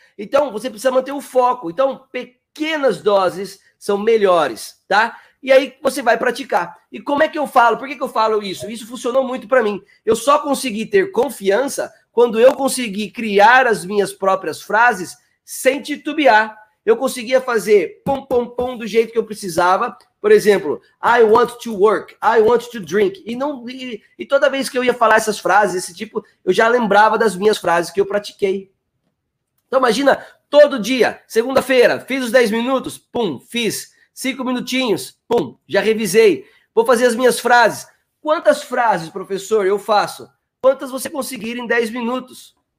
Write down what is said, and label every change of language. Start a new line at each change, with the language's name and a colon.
Portuguese: Então, você precisa manter o foco. Então, pequenas doses são melhores, tá? E aí você vai praticar. E como é que eu falo? Por que que eu falo isso? Isso funcionou muito para mim. Eu só consegui ter confiança quando eu consegui criar as minhas próprias frases sem titubear. Eu conseguia fazer pom pom pom do jeito que eu precisava. Por exemplo,
English: I want to work, I want to drink.
Portuguese: E toda vez que eu ia falar essas frases, esse tipo, eu já lembrava das minhas frases que eu pratiquei. Então imagina, todo dia, segunda-feira, fiz os 10 minutos, pum, fiz. 5 minutinhos, pum, já revisei. Vou fazer as minhas frases. Quantas frases, professor, eu faço? Quantas você conseguir em 10 minutos?